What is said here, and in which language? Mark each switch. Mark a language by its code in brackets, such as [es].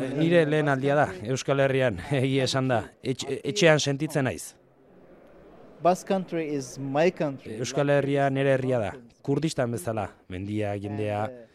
[eu] nire lehen aldia da Euskal Herrian, egia esan da, etxean sentitzen naiz. [en] Basque country is my country. [eu] Euskal Herria nire herria da. Kurdistan bezala, mendia, jendea.